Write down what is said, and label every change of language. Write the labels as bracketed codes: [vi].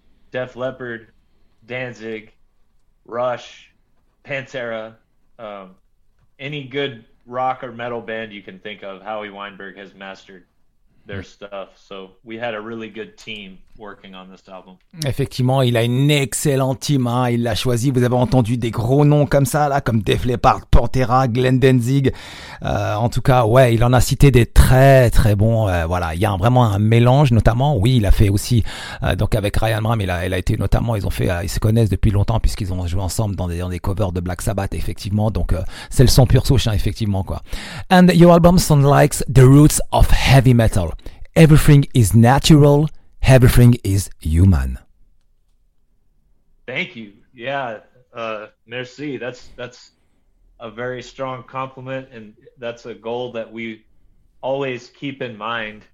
[en] Def Leppard, Danzig, Rush, Pantera, any good rock or metal band you can think of, Howie Weinberg has mastered their stuff. So we had a really good team working on this album. [fr] Effectivement, il a une excellente team, hein. Il l'a choisi. Vous avez entendu des gros noms comme ça, là, comme Def Leppard, Pantera, Glenn Danzig. En tout cas, ouais, il en a cité des très, très bons. Il y a vraiment un mélange, notamment. Oui, il a fait aussi, donc avec Ryan Bram, il a été notamment, ils se connaissent depuis longtemps puisqu'ils ont joué ensemble dans des covers de Black Sabbath, effectivement. Donc, c'est le son pure souche, hein, effectivement, quoi. [en] And your album sounds like the roots of heavy metal. Everything is natural. Everything is human. Thank you. Yeah, merci. That's a very strong compliment, and that's a goal that we always keep in mind.